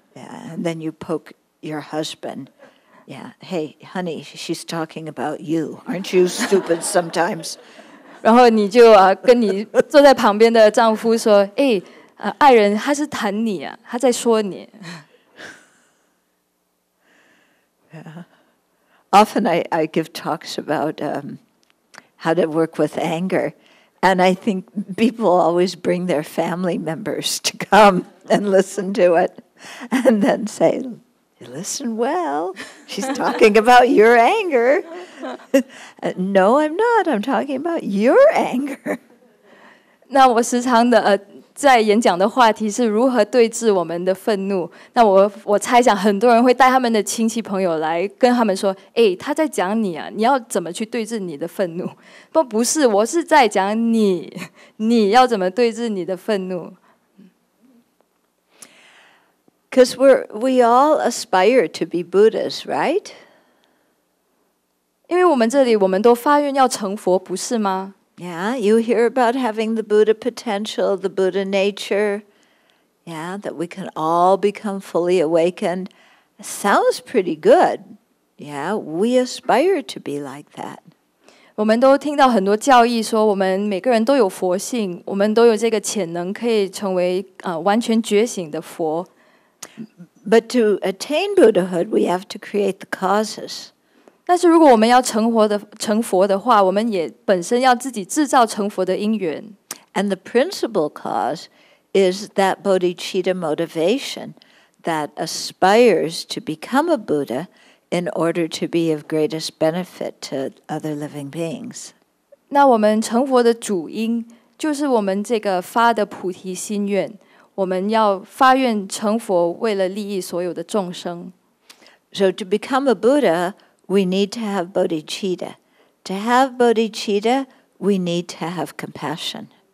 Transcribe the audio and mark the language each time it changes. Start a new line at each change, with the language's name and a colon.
English: Yeah, and then you poke your husband. Yeah, hey, honey, she's talking about you. Aren't you stupid sometimes?
Chinese: 然后你就跟你坐在旁边的丈夫说，哎，爱人，他是谈你啊，他在说你。
English: Yeah. Often I give talks about how to work with anger, and I think people always bring their family members to come and listen to it, and then say,You listen well. She's talking about your anger. No, I'm not. I'm talking about your anger.
Chinese: 那我时常的在演讲的话题是如何对峙我们的愤怒。那我猜想很多人会带他们的亲戚朋友来跟他们说，哎，他在讲你啊，你要怎么去对峙你的愤怒？不是，我是在讲你，你要怎么对峙你的愤怒？
English: Because we all aspire to be Buddhas, right?
Chinese: 因为我们这里我们都发愿要成佛，不是吗？
English: Yeah, you hear about having the Buddha potential, the Buddha nature. Yeah, that we can all become fully awakened. Sounds pretty good. Yeah, we aspire to be like that.
Chinese: 我们都听到很多教义说我们每个人都有佛性，我们都有这个潜能可以成为完全觉醒的佛。
English: But to attain Buddhahood, we have to create the causes.
Chinese: 但是如果我们要成佛的话，我们也本身要自己制造成佛的因缘。
English: And the principal cause is that bodhicitta motivation that aspires to become a Buddha in order to be of greatest benefit to other living beings.
Chinese: 那我们成佛的主因就是我们这个发的菩提心愿。我们要发愿成佛，为了利益所有的众生。
English: So to become a Buddha, we need to have bodhicitta. To have bodhicitta, we need to have compassion.